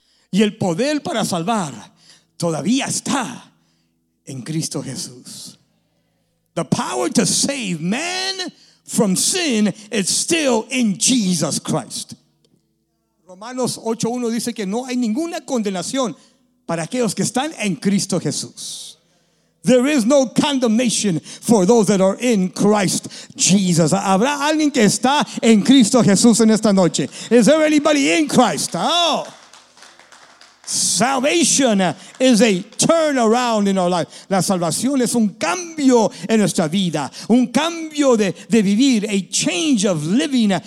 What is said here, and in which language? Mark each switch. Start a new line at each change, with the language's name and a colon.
Spanish: Y el poder para salvar todavía está en Cristo Jesús.
English: The power to save man from sin is still in Jesus Christ.
Spanish: Romanos 8:1 dice que no hay ninguna condenación para aquellos que están en Cristo Jesús.
English: There is no condemnation for those that are in Christ Jesus.
Spanish: ¿Habrá alguien que está en Cristo Jesús en esta noche?
English: Is there anybody in Christ? Oh. Salvation is a turnaround in our life.
Spanish: La salvación es un cambio en nuestra vida. Un cambio de vivir.
English: A change of living.